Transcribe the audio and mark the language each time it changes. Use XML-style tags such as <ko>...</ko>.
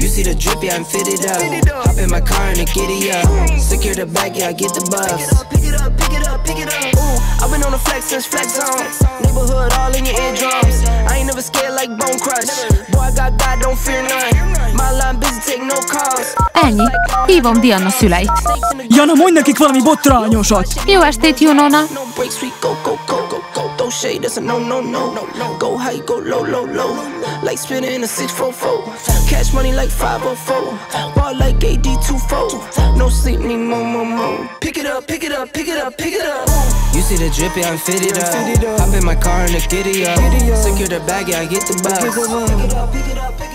<en>You see the drippy, I'm fitted up. Hop in my car and a giddy up. Secure the bag, yeah, I get the bus. Pick it up, pick it up, pick it up, pick it up. Ooh, I've been on the flex since flex zone. Neighborhood all in your eardrums. I ain't never scared like bone crush. Boy, I got God, don't fear none. My line busy, take no calls.</en> <hu>Ennyi. Hívom Diana szüleit. Jana, mondj nekik valami botrányosat! Jó estét, Junona!</hu> <en>You see the drippy, I'm fitted up. Hop in my car and a giddy up. Secure the bag, yeah, I get the bus. Pick it up, pick it up.</en>